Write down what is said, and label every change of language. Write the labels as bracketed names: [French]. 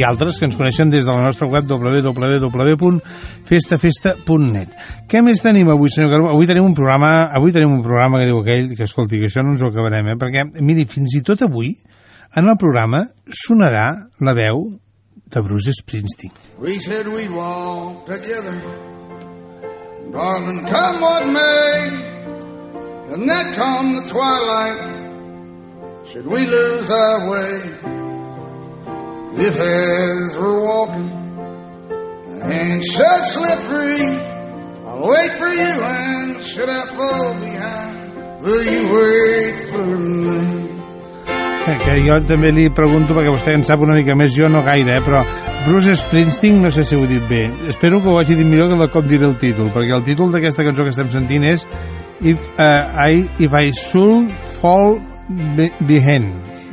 [Catalan] I altres que ens coneixen des de la nostra web www.festafesta.net. Què més tenim avui, senyor Carbó? Avui tenim un programa que diu aquell, que escolti, que això no ens ho acabarem, perquè, miri, fins i tot avui, en el programa sonarà la veu de Bruce Springsteen. [English] We said we'd walk together, darling, come what may, and then come the twilight, should we lose our way, if as we're walking, and should slip free, I'll wait for you, and should I fall behind, will you wait for me? [Catalan] Que jo també li pregunto, perquè vostè en sap una mica més, jo no gaire, però Bruce Springsteen, no sé si ho he dit bé, espero que ho hagi dit millor que de cop diré el títol, perquè el títol d'aquesta cançó que estem sentint és If I Should Fall Behind,